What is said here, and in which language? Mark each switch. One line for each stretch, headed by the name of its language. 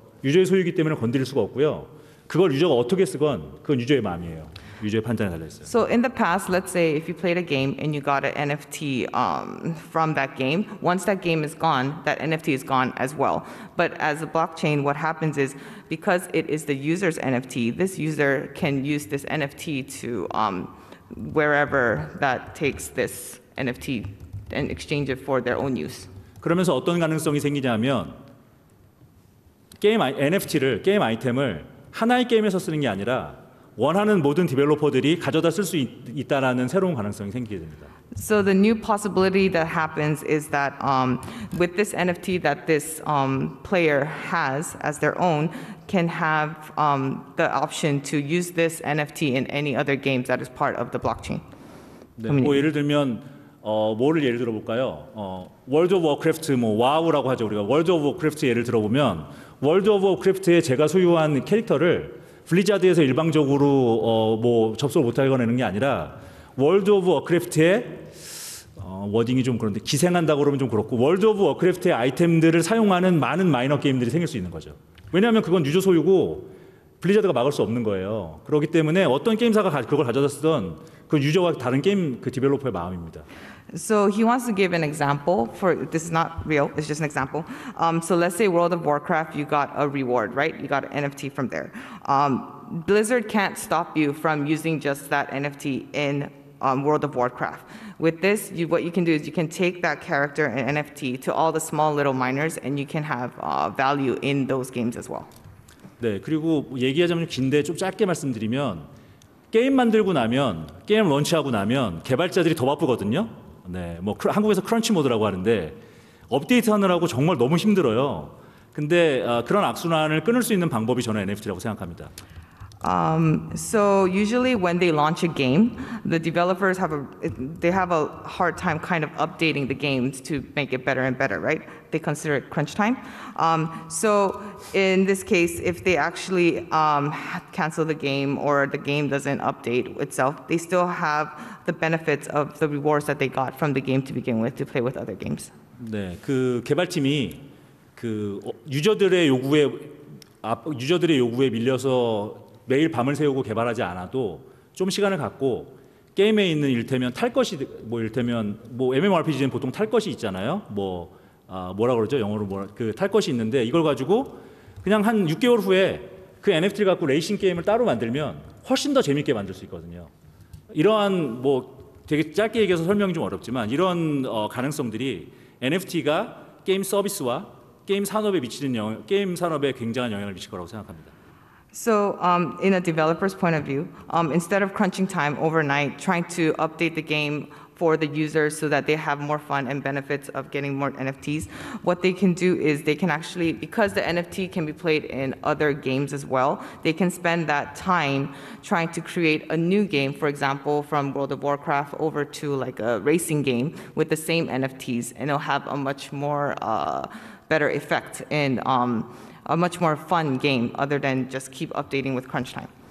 Korean: 유저의 소유이기 때문에 건드릴 수가 없고요. 그걸 유저가 어떻게 쓰건 그건 유저의 마음이에요. 유저의 판단에 달려 있어요.
English: So in the past, let's say if you played a game and you got an NFT from that game, once that game is gone, that NFT is gone as well. But as a blockchain, what happens is because it is the user's NFT, this user can use this NFT to wherever that takes this NFT and exchange it for their own use.
Korean: 그러면서 어떤 가능성이 생기냐면 게임 NFT를 게임 아이템을 하나의 게임에서 쓰는 게 아니라 원하는 모든 디벨로퍼들이 가져다 쓸 수 있다라는 새로운 가능성이 생기게 됩니다.
English: So the new possibility that happens is that with this NFT that this player has as their own can have the option to use this NFT in any other games that is part of the blockchain.
Korean: 네, 뭐 예를 들면 뭐를 예를 들어볼까요? 월드 오브 워크래프트 뭐 와우라고 하죠 우리가 월드 오브 워크래프트 예를 들어보면 월드 오브 워크래프트에 제가 소유한 캐릭터를 블리자드에서 일방적으로 뭐 접속을 못하게 꺼내는 게 아니라 월드 오브 워크래프트에 워딩이 좀 그런데 기생한다고 그러면 좀 그렇고 월드 오브 워크래프트의 아이템들을 사용하는 많은 마이너 게임들이 생길 수 있는 거죠. 왜냐하면 그건 유저 소유고 블리자드가 막을 수 없는 거예요. 그렇기 때문에 어떤 게임사가 그걸 가져다 쓰던 그 유저와 다른 게임 그 디벨로퍼의 마음입니다.
English: So he wants to give an example for this is not real. It's just an example. So let's say World of Warcraft, you got a reward, right? You got an NFT from there. Blizzard can't stop you from using just that NFT in World of Warcraft. With this, what you can do is you can take that character and NFT to all the small little miners, and you can have value in those games as well.
Korean: 네, 그리고 얘기하자면 긴데 좀 짧게 말씀드리면 게임 만들고 나면 게임 런치하고 나면 개발자들이 더 바쁘거든요. 네, 뭐 한국에서 크런치 모드라고 하는데 업데이트 하느라고 정말 너무 힘들어요. 근데 그런 악순환을 끊을 수 있는 방법이 저는 NFT라고 생각합니다.
English: So usually when they launch a game, the developers have a hard time kind of updating the games to make it better and better, right? They consider it crunch time. So in this case, if they actually cancel the game or the game doesn't update itself, they still have the benefits of the rewards that they got from the game to begin with to play with other games.
Korean: 네, 그 개발팀이 그 유저들의 요구에 밀려서 매일 밤을 새우고 개발하지 않아도 좀 시간을 갖고 게임에 있는 일테면 탈 것이 뭐 일테면 뭐 MMORPG는 보통 탈 것이 있잖아요. 뭐 뭐라 그러죠? 영어로 뭐 그 탈 것이 있는데 이걸 가지고 그냥 한 6개월 후에 그 NFT를 갖고 레이싱 게임을 따로 만들면 훨씬 더 재밌게 만들 수 있거든요. 이러한 뭐 되게 짧게 얘기해서 설명이 좀 어렵지만 이런 가능성들이 NFT가 게임 서비스와 게임 산업에 미치는 게임 산업에 굉장한 영향을 미칠 거라고 생각합니다.
English: So in a developer's point of view, instead of crunching time overnight, trying to update the game for the users so that they have more fun and benefits of getting more NFTs, what they can do is they can actually, because the NFT can be played in other games as well, they can spend that time trying to create a new game, for example, from World of Warcraft over to like a racing game with the same NFTs, and it'll have a much more better effect in a much more fun game other than just keep updating with crunch time.